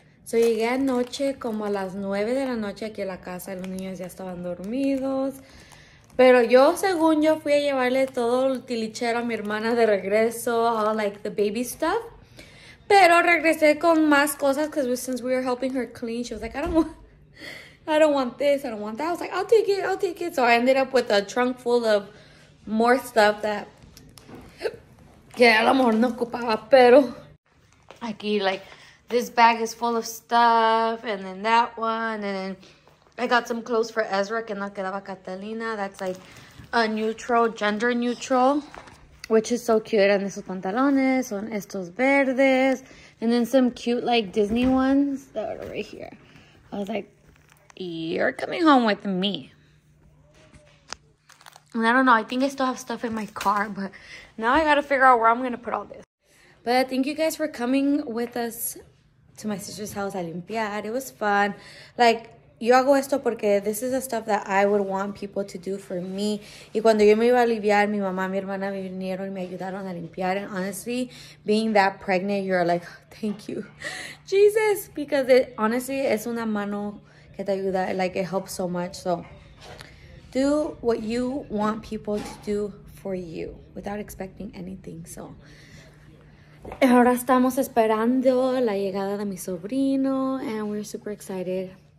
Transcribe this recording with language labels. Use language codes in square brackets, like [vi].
[es] So llegué anoche como a las 9 de la noche aquí a la casa. Los niños ya estaban dormidos. Pero yo, según yo, fui a llevarle todo el tilichero a mi hermana de regreso. [en] All like the baby stuff. [es] Pero regresé con más cosas [en] because since we were helping her clean, she was like, I don't want this, I don't want that. I was like, I'll take it. So I ended up with a trunk full of more stuff that [es] que a lo mejor no ocupaba, pero aquí, [en] like, this bag is full of stuff, and then that one, and then I got some clothes for Ezra, [es] que no quedaba Catalina. [en] That's like a neutral, gender neutral, which is so cute. And [es] esos pantalones son estos verdes, [en] and then some cute, like, Disney ones that are right here. I was like, you're coming home with me. And I don't know, I think I still have stuff in my car, but now I gotta figure out where I'm gonna put all this. But thank you guys for coming with us to my sister's house [es] a limpiar. [en] It was fun. Like, [es] yo hago esto porque [en] this is the stuff that I would want people to do for me. [es] Y cuando yo me iba a aliviar, mi mamá, mi hermana vinieron y me ayudaron a limpiar. [en] And honestly, being that pregnant, you're like, thank you, Jesus. Because it honestly, [es] es una mano que te ayuda. [en] Like, it helps so much. So, do what you want people to do for you without expecting anything. [es] So, ahora estamos esperando la llegada de mi sobrino, [en] and we're super excited.